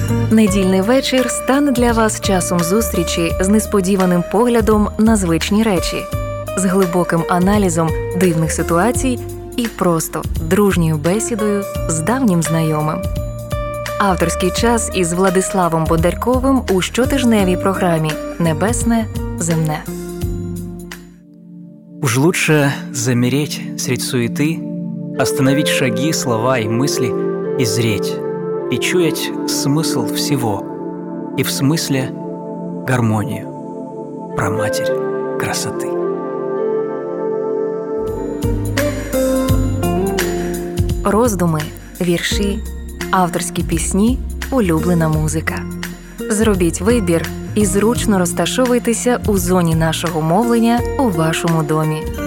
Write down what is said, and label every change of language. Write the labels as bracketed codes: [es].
[uk] Недільний вечір стане для вас часом зустрічі з несподіваним поглядом на звичні речі, з глибоким аналізом дивних ситуацій і просто дружньою бесідою з давнім знайомим. Авторський час із Владиславом Бондарковим у щотижневій програмі «Небесне, земне». [ru] Уж лучше замереть средь суеты, остановить шаги, слова и мысли, и зреть, и чуять смысл всего, и в смысле гармонию, праматерь красоты. [uk] Роздуми, вірші, авторські пісні, улюблена музика. Зробіть вибір і зручно розташовуйтеся у зоні нашого мовлення у вашому домі.